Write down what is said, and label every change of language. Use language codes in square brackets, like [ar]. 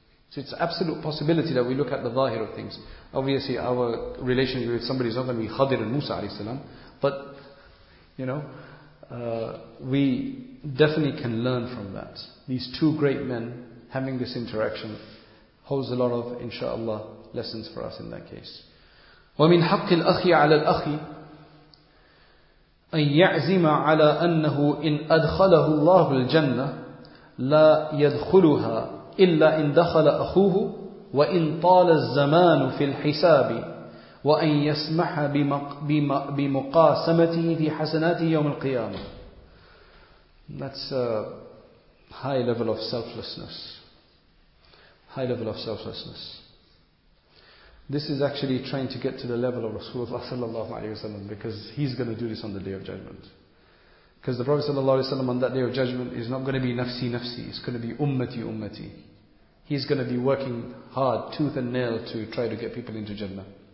[en] So it's an absolute possibility that we look at the zahir of things. Obviously our relationship with somebody is not going to be Khadir and Musa alayhi salam, but you know, we definitely can learn from that. These two great men having this interaction holds a lot of, inshaAllah, lessons for us in that case. [ar] وَمِنْ حَقِّ الْأَخِي عَلَى الْأَخِي أَنْ يَعْزِمَ عَلَىٰ أَنَّهُ إِنْ أَدْخَلَهُ اللَّهُ الْجَنَّةِ لَا يَدْخُلُهَا إِلَّا إِنْ دَخَلَ أَخُوهُ وَإِنْ طَالَ الزَّمَانُ فِي الْحِسَابِ وَأَنْ يَسْمَحَ بِمُقَاسَمَتِهِ فِي حَسَنَاتِهِ يَوْمِ الْقِيَامَةِ [en] That's a high level of selflessness. High level of selflessness. This is actually trying to get to the level of Rasulullah sallallahu alayhi wa sallam, because he's going to do this on the Day of Judgment. Because the Prophet sallallahu alayhi wa sallam on that Day of Judgment is not going to be nafsi nafsi, it's going to be ummati ummati. He's going to be working hard, tooth and nail, to try to get people into Jannah.